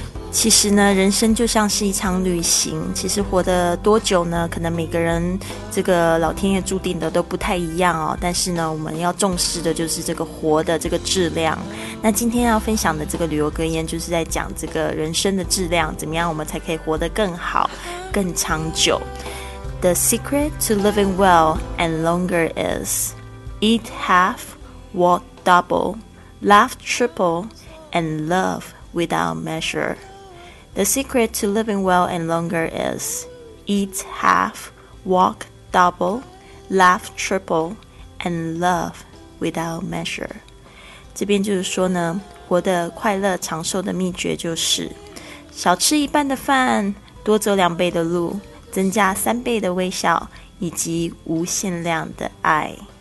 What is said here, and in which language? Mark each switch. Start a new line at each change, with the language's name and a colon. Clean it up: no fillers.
Chinese: 其实呢，人生就像是一场旅行，其实活得多久呢，可能每个人这个老天爷注定的都不太一样哦。但是呢，我们要重视的就是这个活的这个质量。那今天要分享的这个旅游格言，就是在讲这个人生的质量，怎么样我们才可以活得更好更长久。
English: The secret to living well and longer is Eat half, walk double, laugh triple, and love without measure. The secret to living well and longer is eat half, walk double, laugh triple, and love without measure.
Chinese: 这边就是说呢，活得快乐长寿的秘诀就是少吃一半的饭，多走两倍的路，增加三倍的微笑，以及无限量的爱。